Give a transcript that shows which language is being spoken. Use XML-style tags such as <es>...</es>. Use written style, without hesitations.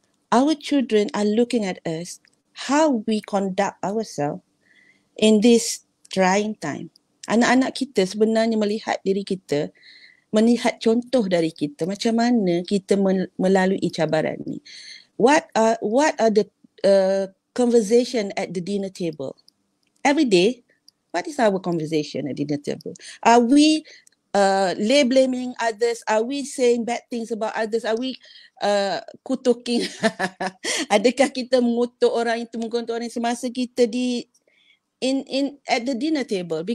<en>Our children are looking at us, how we conduct ourselves in this trying time.</en> <ms>Anak-anak kita sebenarnya melihat diri kita, melihat contoh dari kita, macam mana kita melalui cabaran ni.</ms> <en>What are the conversation at the dinner table? Every day, what is our conversation at dinner table? Are we blaming others? Are we saying bad things about others? Are we kutuking?</en> <ms>Adakah kita mengutuk orang itu, mengutuk orang itu semasa kita di</ms> <en>in at the dinner table?</en>